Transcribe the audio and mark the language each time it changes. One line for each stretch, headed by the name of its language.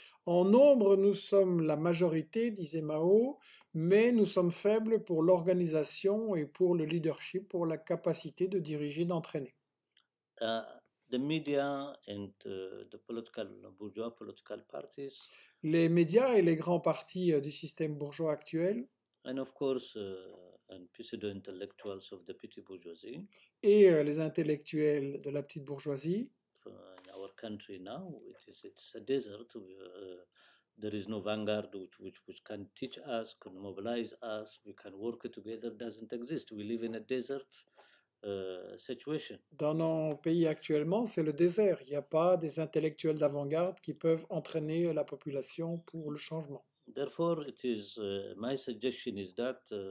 French: En nombre, nous sommes la majorité, disait Mao, mais nous sommes faibles pour l'organisation et pour le leadership, pour la capacité de diriger, d'entraîner.
English: The media and the political bourgeois political parties.
French: Les médias et les grands partis du système bourgeois actuel.
English: And of course, and pseudo-intellectuals of the petite bourgeoisie.
French: Et les intellectuels de la petite bourgeoisie.
English: In our country now, it's a desert. There is no vanguard which can teach us, can mobilize us, we can work together, doesn't exist. We live in a desert situation.
French: Dans nos pays actuellement, c'est le désert. Il n'y a pas des intellectuels d'avant-garde qui peuvent entraîner la population pour le changement.
English: Therefore, it is my suggestion is that